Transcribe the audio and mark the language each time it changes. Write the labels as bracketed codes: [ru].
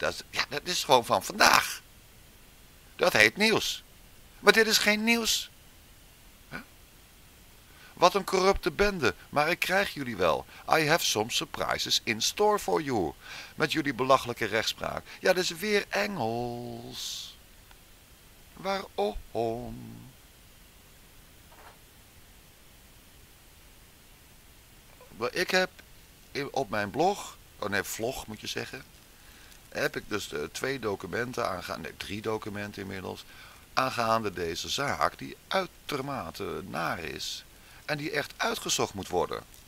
[nl] Ja, dat is gewoon van vandaag. Dat heet nieuws. Maar dit is geen nieuws. Wat een corrupte bende, maar ik krijg jullie wel. [en] I have some surprises in store for you. [nl] Met jullie belachelijke rechtspraak. Ja, dat is weer Engels. Waarom? Ik heb op mijn blog, oh nee, vlog moet je zeggen, heb ik dus twee documenten aangaande, nee, drie documenten inmiddels, aangaande deze zaak die uitermate naar is en die echt uitgezocht moet worden.